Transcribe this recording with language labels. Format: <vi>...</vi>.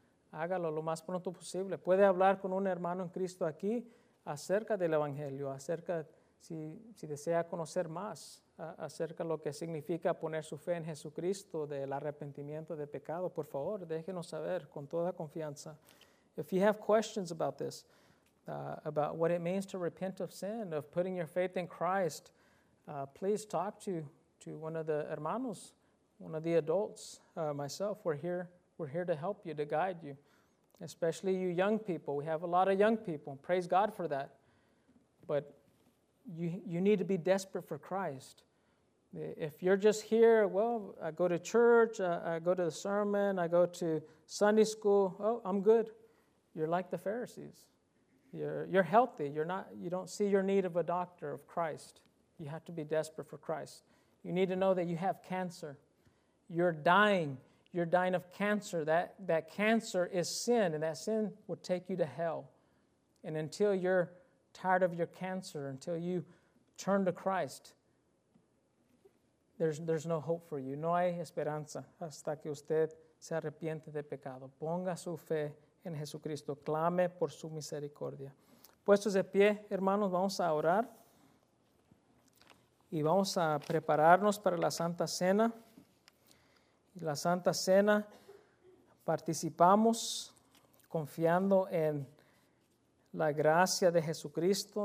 <es>Hágalo lo más pronto posible. Puede hablar con un hermano en Cristo aquí acerca del Evangelio, acerca, si desea conocer más, acerca lo que significa poner su fe en Jesucristo, del arrepentimiento de pecado. Por favor, déjenos saber con toda confianza.</es> <en>If you have questions about this, about what it means to repent of sin, of putting your faith in Christ, please talk to one of the hermanos, one of the adults, myself. We're here to help you, to guide you, especially you young people. We have a lot of young people. Praise God for that. But you need to be desperate for Christ. If you're just here, well, I go to church, I go to the sermon, I go to Sunday school, oh, I'm good. You're like the Pharisees. You're healthy. You don't see your need of a doctor, of Christ. You have to be desperate for Christ. You need to know that you have cancer. You're dying. You're dying of cancer. That cancer is sin, and that sin will take you to hell. And until you're tired of your cancer, until you turn to Christ, there's no hope for you.</en> <es>No hay esperanza hasta que usted se arrepiente de pecado. Ponga su fe en Jesucristo. Clame por su misericordia. Puestos de pie, hermanos, vamos a orar. Y vamos a prepararnos para la Santa Cena. La Santa Cena, participamos confiando en la gracia de Jesucristo.</es>